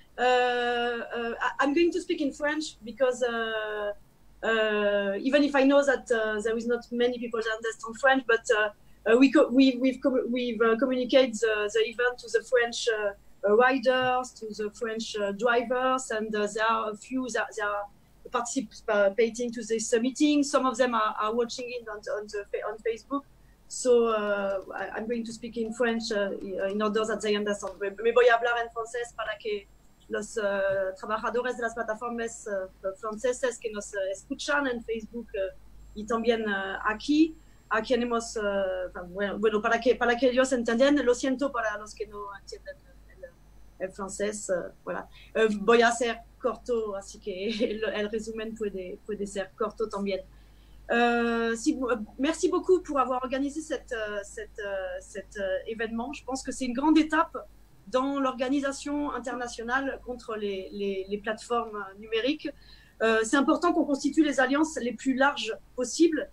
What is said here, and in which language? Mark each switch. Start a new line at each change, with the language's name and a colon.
English: I'm going to speak in French because even if I know that there is not many people that understand French, but we've communicated the event to the French riders, to the French drivers, and there are a few that are participating to this meeting. Some of them are watching it on Facebook. So I'm going to speak in French in order that they understand.
Spanish: Me voy a hablar en francés para que los trabajadores de las plataformas franceses que nos escuchan en Facebook y también aquí tenemos, bueno, para que ellos entiendan. Lo siento para los que no entienden. En francés, voilà. Voy a ser corto, así que el resumen puede ser corto también.
French: Si, merci beaucoup pour avoir organisé cet événement. Je pense que c'est une grande étape dans l'organisation internationale contre les plateformes numériques. C'est important qu'on constitue les alliances les plus larges possibles.